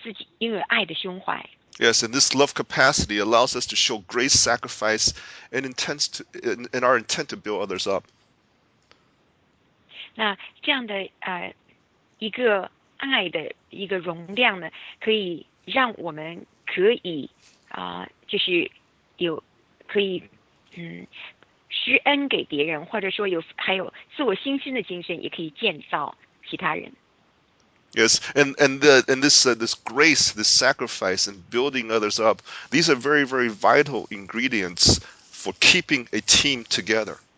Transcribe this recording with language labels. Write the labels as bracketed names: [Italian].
[Chinese] 快乐的一个图画，将来的不是喜乐的这样的一个图画。那么我们需要来认识我们在基督里面的这样的一个爱的容量，或者一个自己因为爱的胸怀。 [English] Yes, and this love capacity allows us to show great sacrifice and intent to in our intent to build others up. [Chinese] 那这样的一个爱的一个容量呢，可以让我们可以就是有可以。施恩给别人，或者说有还有自我信心的精神，也可以建造其他人。 [English] Yes, and this grace, this sacrifice, and building others up, these are very, very vital ingredients for keeping a team together.